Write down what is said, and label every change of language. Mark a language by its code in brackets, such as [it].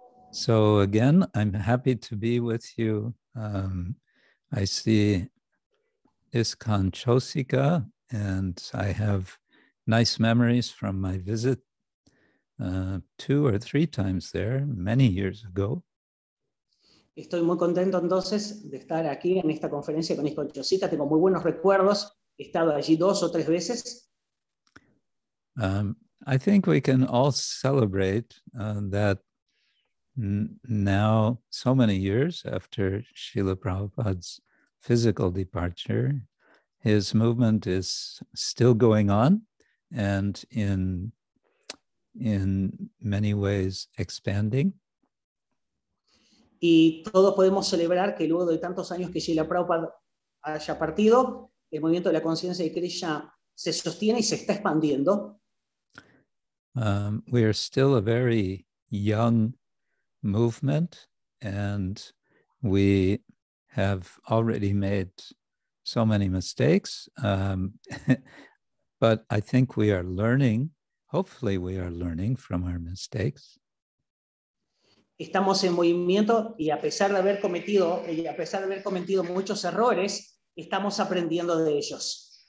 [en] So again, I'm happy to be with you. I see ISKCON Chosica, and I have nice memories from my visit two or three times there, many years ago. [es] Estoy muy contento entonces de estar aquí en esta conferencia con ISKCON Chosica. Tengo muy buenos recuerdos. He estado allí dos o tres veces. [en] I think we can all celebrate that now, so many years after Srila Prabhupada's physical departure, his movement is still going on and in many ways expanding. [es] Y todos podemos celebrar que luego de tantos años que Srila Prabhupada haya partido, el movimiento de la conciencia de Krishna se sostiene y se está expandiendo. [en] We are still a very young movement, and we have already made so many mistakes, but I think we are learning. Hopefully we are learning from our mistakes. [es] Estamos en movimiento y a pesar de haber cometido muchos errores, estamos aprendiendo de ellos.